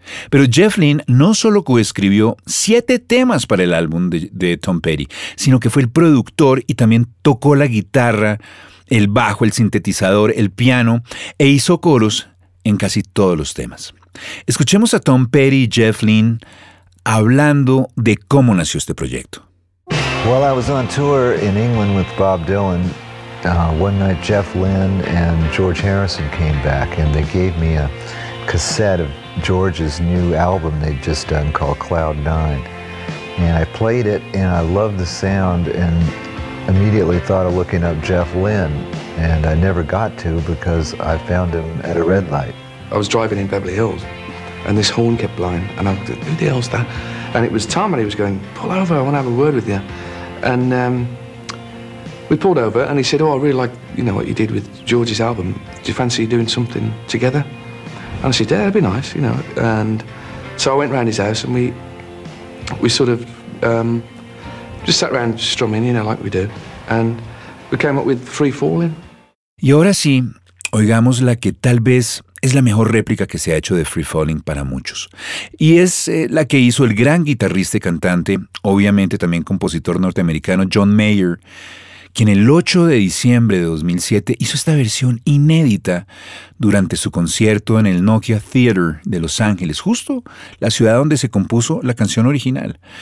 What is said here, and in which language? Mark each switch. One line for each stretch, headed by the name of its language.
Spanish: Pero Jeff Lynne no solo coescribió 7 temas para el álbum de Tom Petty, sino que fue el productor y también tocó la guitarra, el bajo, el sintetizador, el piano e hizo coros en casi todos los temas. Escuchemos a Tom Petty y Jeff Lynne hablando de cómo nació este proyecto.
English: Well, I was on tour in England with Bob Dylan. One night, Jeff Lynne and George Harrison came back and they gave me a cassette of George's new album they'd just done called Cloud Nine. And I played it and I loved the sound and immediately thought of looking up Jeff Lynne. And I never got to because I found him at a red light. I was driving in Beverly Hills. And this horn kept blowing, and I thought, who the hell's that? And it was Tom, and he was going, pull over, I want to have a word with you. And we pulled over, and he said, oh, I really like, you know, what you did with George's album. Do you fancy doing something together? And I said, yeah, that'd be nice, you know. And so I went round his house, and we sort of just sat around strumming, you know, like we do. And we came up with Free Falling.
Spanish: Y ahora sí, oigamos la que tal vez es la mejor réplica que se ha hecho de Free Falling para muchos. Y es la que hizo el gran guitarrista y cantante, obviamente también compositor norteamericano, John Mayer, quien el 8 de diciembre de 2007 hizo esta versión inédita durante su concierto en el Nokia Theater de Los Ángeles, justo la ciudad donde se compuso la canción original.